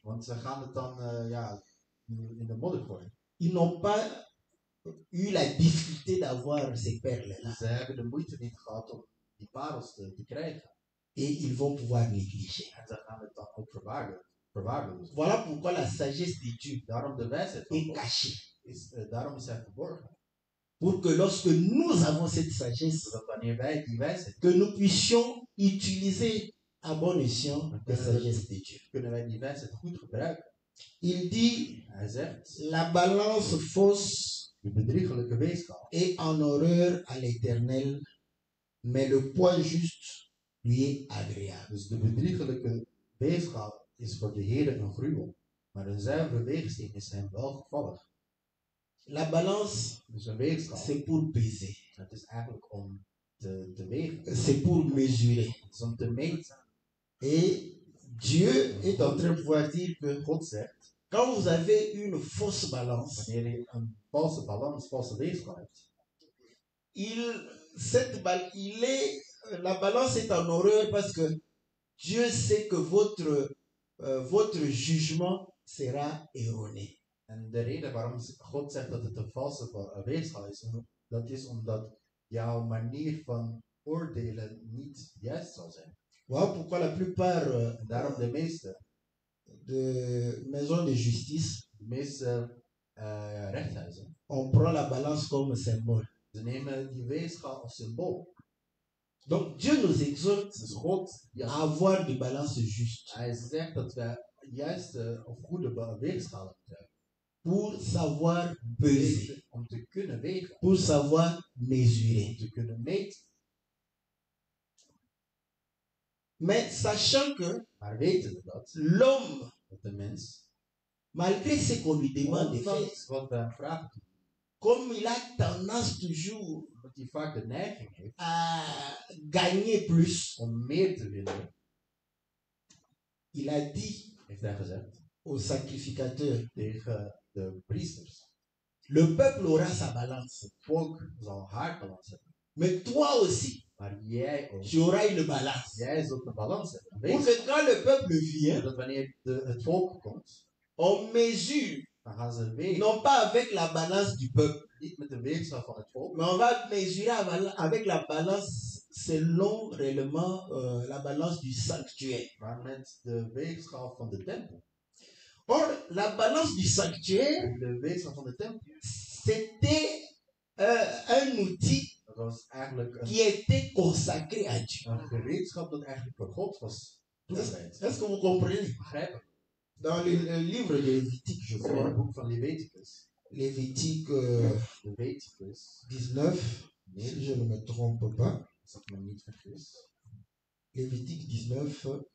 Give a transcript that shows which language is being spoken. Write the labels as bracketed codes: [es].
[nl] Want ze gaan het dan in de modder gooien. [fr] Ils n'ont pas eu la difficulté d'avoir ces perles là. [nl] Ze hebben de moeite niet gehad om die parels te krijgen. [fr] Et ils vont pouvoir négliger. [nl] En ze gaan het dan ook verwaarden. [fr] Voilà pourquoi la sagesse de Dieu, [nl] daarom de wijsheid, [fr] est cachée. [nl] Is, daarom is hij verborgen. [fr] Pour que lorsque nous avons cette sagesse, [nl] wanneer wij die wijsheid, [fr] que nous puissions utiliser à bon escient la sagesse de Dieu. [nl] Kunnen wij die wijsheid goed gebruiken. [fr] Il dit, [nl] hij zegt, [fr] la balance fausse, [nl] de bedriegelijke weegschaal, [fr] est en horreur à l'éternel, mais le poids juste lui est agréable. [nl] Dus de bedriegelijke weegschaal is voor de Heer een gruwel, maar een zuivere weegsteen is hem welgevallig. [fr] La balance, [nl] dus een weegschaal, [fr] c'est pour peser. [nl] Dat is eigenlijk om te wegen. [fr] C'est pour mesurer. [nl] Dat is om te meten. [fr] Et Dieu est en train de pouvoir dire que [nl] God zegt, [fr] quand vous avez une fausse balance, [nl] wanneer je een valse balans, valse weegschaal hebt, [fr] la balance est en horreur parce que Dieu sait que votre jugement sera erroné. [nl] En de reden waarom God zegt dat het een valse weegschaal is, dat is omdat jouw manier van oordelen niet juist zal zijn. Waarom? [fr] Pourquoi la plupart, [nl] daarom de meeste, [fr] de maisons de justice, [nl] de meeste rechthuizen, [fr] on prend la balance comme symbool. [nl] Ze nemen die weegschaal als symbool. [fr] Donc Dieu nous exhorte, [nl] dus God, [fr] à avoir de balance juste. [nl] Hij zegt dat we juiste of goede weegschaal hebben. [fr] Pour savoir peser, [nl] om te kunnen wegen, [fr] pour savoir mesurer, [nl] om te kunnen meten. [fr] Mais sachant que, [nl] maar weten we dat, [fr] l'homme, [nl] dat de mens, [fr] malgré ce qu'on lui demande de faire, [nl] wat we hem vragen, [fr] comme il a tendance toujours, [nl] dat hij vaak de neiging heeft, [fr] à gagner plus, [nl] om meer te willen, [fr] il a dit, [nl] heeft hij gezegd, [fr] au sacrificateur, [nl] tegen de priesters, [fr] Le peuple aura sa balance. [nl] Folk zal haar balans hebben. [fr] Mais toi aussi, [nl] maar jij ook, [fr] tu auras une balance. [nl] Jij zult de balans hebben. [fr] Pour que quand le peuple vient, [nl] dat wanneer het volk komt, [fr] on mesure, [nl] dan gaan ze wegen. [fr] Non pas avec la balance du peuple. [nl] Niet met de weegschaal van het volk. [fr] Mais on va mesurer avec la balance selon réellement la balance du sanctuaire. [nl] Maar met de weegschaal van de tempel. [fr] Or, la balance du sanctuaire, [nl] le weegschaal van de tempel, [fr] c'était un outil [nl] dat was eigenlijk [fr] qui était consacré à Dieu. [nl] Een gereedschap dat eigenlijk voor God was. [fr] Est-ce que vous comprenez? [nl] Begrijpen. [fr] Dans le livre de Lévitique, je crois, [nl] le boek van Leviticus. [fr] Lévitique 19, nee, si je ne me trompe pas. [nl] Ça me niet vergis. [fr] Lévitique 19,